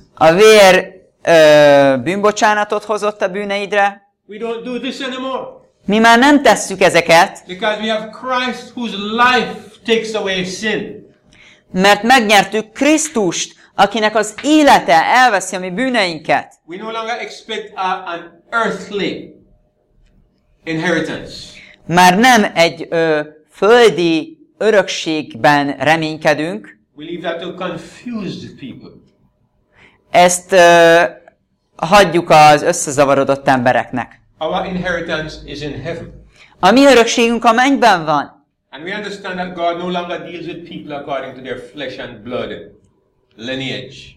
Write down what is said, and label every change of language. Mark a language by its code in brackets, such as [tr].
[hu] A vér bűnbocsánatot hozott a bűneidre. [en] We don't do this anymore. [hu] Mi már nem tesszük ezeket. [en] Because we have Christ whose life takes away sin. [hu] Mert megnyertük Krisztust, akinek az élete elveszi a mi bűneinket. [en] We no longer expect an earthly inheritance. [hu] Már nem egy földi örökségben reménykedünk. [en] We leave that to confused people. [hu] Ezt hagyjuk az összezavarodott embereknek. [en] Our inheritance is in heaven. [hu] A mi örökségünk a mennyben van. [en] And we understand that God no longer deals with people according to their flesh and blood lineage.